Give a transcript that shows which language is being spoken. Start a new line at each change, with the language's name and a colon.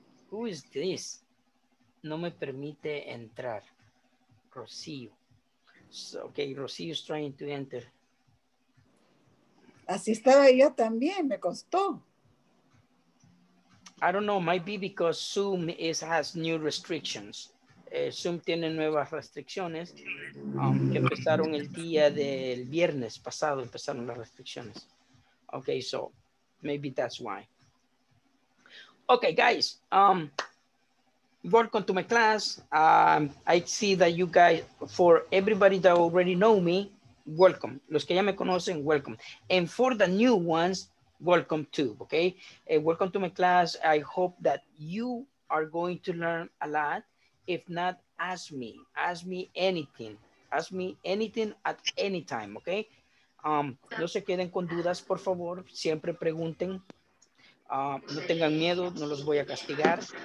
English: Who is this?
Spanish: No me permite entrar. Rocío.
English: So, okay, Rocío is trying to enter.
Spanish: Así estaba yo también, me costó.
English: I don't know, might be because Zoom has new restrictions.
Spanish: Zoom tiene nuevas restricciones que empezaron el día del viernes pasado, empezaron las restricciones.
English: Okay, so maybe that's why. Okay, guys, welcome to my class. I see that you guys, for everybody that already know me, welcome.
Spanish: Los que ya me conocen,
English: welcome. And for the new ones, welcome too, okay? Welcome to my class. I hope that you are going to learn a lot. If not, ask me anything at any time, okay?
Spanish: No se queden con dudas, por favor, siempre pregunten. No tengan miedo, no los voy a castigar.